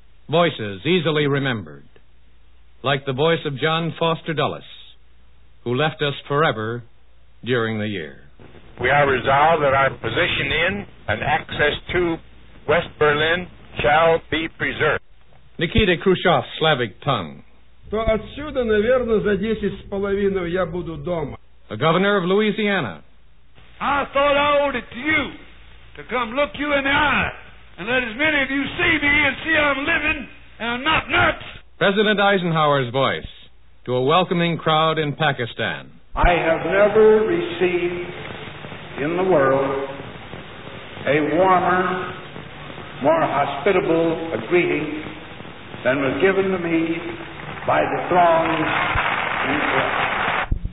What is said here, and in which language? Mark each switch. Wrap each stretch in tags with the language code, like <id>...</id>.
<en>Voices easily remembered. Like the voice of John Foster Dulles, who left us forever during the year. We are resolved that our position in and access to West Berlin shall be preserved. Nikita Khrushchev's Slavic tongue.</en> <ru>То отсюда, наверное, за 10.5 я буду дома.</ru> <en>The governor of Louisiana. I thought I owed it to you to come look you in the eye and let as many of you see me and see I'm living and I'm not nuts. President Eisenhower's voice to a welcoming crowd in Pakistan. I have never received in the world a warmer, more hospitable a greeting than was given to me by the throngs in the crowd.</en>